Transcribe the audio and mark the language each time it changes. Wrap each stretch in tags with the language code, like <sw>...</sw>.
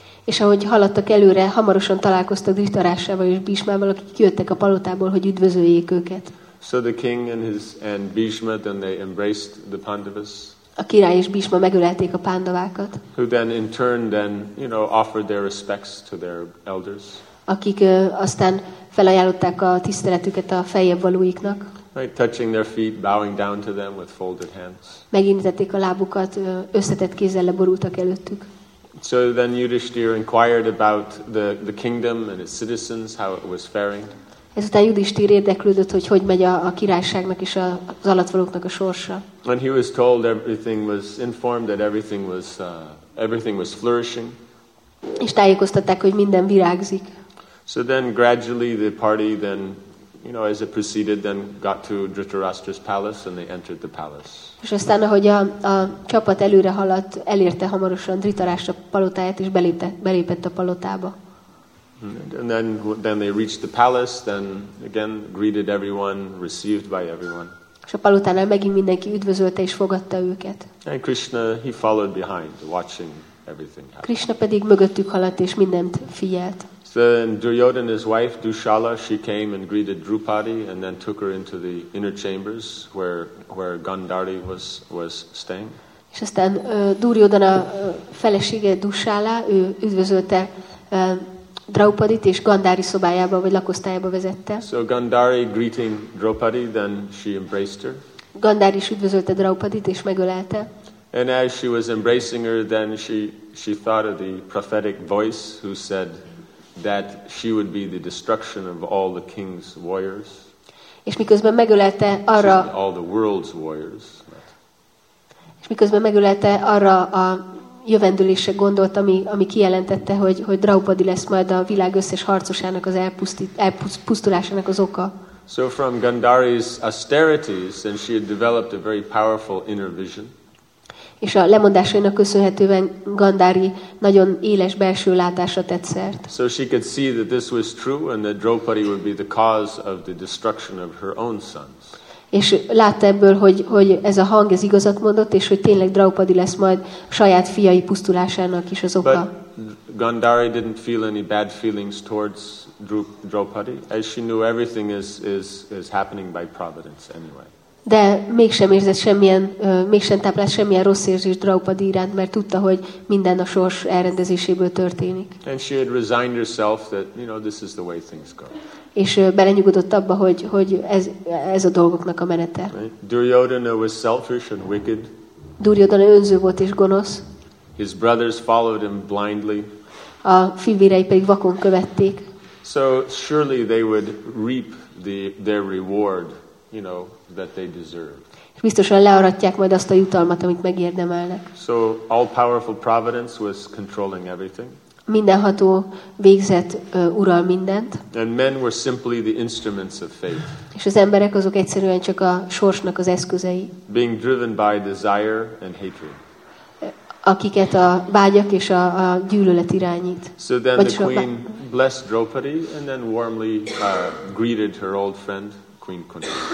<hu>És ahogy haladtak előre, hamarosan találkoztak Dhritarashtrával és Bhishmával, akik jöttek a palotából, hogy üdvözöljék őket.</hu> <en>So the king and Bhishma, then they embraced the Pandavas.</en> <hu>A király és Bhishma megölelték a pándavákat.</hu> <en>Who then in turn then, you know, offered their respects to their elders.</en> <hu>Akik aztán felajánlották a tiszteletüket a feljebb valóiknak.</hu> <en>Right, touching their feet, bowing down to them with folded hands.</en> <hu>Megintették a lábukat, összetett kézzel leborultak előttük.</hu> <en>So then Yudhishthir inquired about the kingdom and its citizens, how it was faring.</en> <hu>Ezután Yudhishthir érdeklődött, hogy hogy megy a királyságnak és az alattvalóknak a sorsa.</hu> <en>And he was told everything was informed that everything was flourishing.</en> <hu>És tájékoztatták, hogy minden virágzik.</hu> <en>So then gradually the party then, you know, as it proceeded, then got to Dhritarashtra's palace and they entered the palace.</en> <hu>És aztán, ahogy a csapat előre haladt, elérte hamarosan Dhritarashtra palotáját és belépett a palotába.</hu> <en>And then they reached the palace, then again greeted everyone, received by everyone.</en> <hu>És a palotánál megint mindenki üdvözölte és fogadta őket.</hu> <en>And Krishna, he followed behind, watching everything happen.</en> <hu>Krishna pedig mögöttük haladt és mindent figyelt.</hu> <en>So then Duryodhana's wife, Dushala, she came and greeted Drupadi and then took her into the inner chambers where Gandhari was staying.</en> <hu>És aztán Duryodhana felesége, Dushala, ő üdvözölte Draupadit és Gandhari szobájába vagy lakosztályába vezette.</hu> <en>So Gandhari greeting Draupadi, then she embraced her.</en> <hu>Gandhari is üdvözölte Draupadit és megölelte.</hu> <en>And as she was embracing her, then she thought of the prophetic voice who said that she would be the destruction of all the king's warriors.</en> <hu>És miközben megölelte arra.</hu> <en>She's all the world's warriors.</en> <hu>És miközben megölelte arra a jövendőlésre gondolt, ami kijelentette, hogy Draupadi lesz majd a világ összes harcosának az elpusztulásának az oka.</hu> <en>So from Gandhari's austerities, and she had developed a very powerful inner vision.</en> <hu>És a lemondásainak köszönhetően Gandhari nagyon éles belső látásra tett szert.</hu> <en>So she could see that this was true and that Draupadi would be the cause of the destruction of her own sons.</en> <hu>És látta ebből, hogy ez a hang ez igazat mondott, és hogy tényleg Draupadi lesz majd saját fiai pusztulásának is az oka.</hu> <en>But Gandhari didn't feel any bad feelings towards Draupadi, as she knew everything is happening by providence anyway.</en> <hu>De mégsem érzett semmilyen, mégsem táplált semmilyen rossz érzés Draupadi iránt, mert tudta, hogy minden a sors elrendezéséből történik.</hu> <en>And she had resigned herself that, you know, this is the way things go.</en> <hu>És belenyugodott abba, hogy ez a dolgoknak a menete.</hu> <en>Duryodhana was selfish and wicked.</en> <hu>Duryodhana önző volt és gonosz.</hu> <en>His brothers followed him blindly.</en> <hu>A fivérei pedig vakon követték.</hu> <en>So surely they would reap their reward, you know, that they deserve.</en> <hu>És biztosan learatják majd azt a jutalmat, amit megérdemelnek.</hu> <en>So all-powerful providence was controlling everything.</en> <hu>Mindenható végzett ural mindent.</hu> <en>And men were simply the instruments of fate.</en> <hu>És az emberek azok egyszerűen csak a sorsnak az eszközei.</hu> <en>Being driven by desire and hatred.</en> <hu>Akiket a vágyak és a gyűlölet irányít.</hu> <en>So then the queen blessed Draupadi and then warmly greeted her old friend Queen Kunti.</en>